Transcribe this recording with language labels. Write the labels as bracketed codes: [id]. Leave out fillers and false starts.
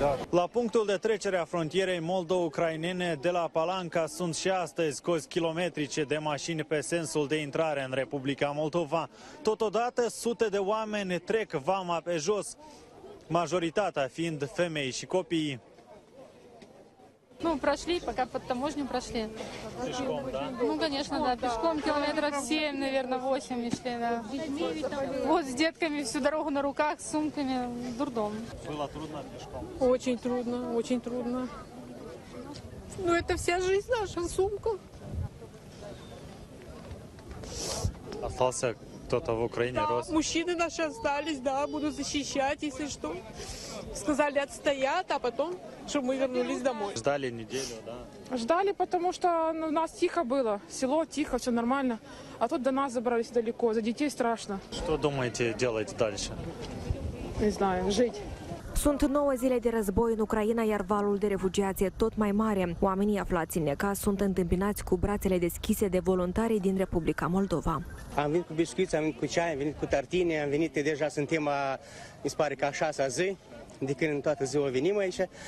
[ro] La punctul de trecere a frontierei moldo-ucrainene de la Palanca sunt și astăzi cozi kilometrice de mașini pe sensul de intrare în Republica Moldova. Totodată, sute de oameni trec vama pe jos, majoritatea fiind femei și copii. [ru] Ну, прошли, пока под таможню прошли. Пешком, да? Ну, конечно, да. Пешком километров 7, наверное, 8 шли, да. Вот с детками всю дорогу на руках, с сумками, дурдом. Было трудно пешком? Очень трудно, очень трудно. Ну, это вся жизнь наша, сумка. Остался кто-то в Украине, да, рос? Мужчины наши остались, да, буду защищать, если что. Сказали отстоят, а потом, чтобы мы вернулись домой. Ждали неделю, да? Ждали, потому что у нас тихо было. Село тихо, все нормально. А тут до нас забрались далеко, за детей страшно. Что думаете делать дальше? Не знаю, жить. [ro] Sunt 9 zile de război în Ucraina, iar valul de refugiați e tot mai mare. Oamenii aflați în necaz sunt întâmpinați cu brațele deschise de voluntarii din Republica Moldova. Am venit cu biscuiți, am venit cu ceai, am venit cu tartine, am venit, deja suntem, mi se pare că a 6-a zi, de când în toată ziua venim aici.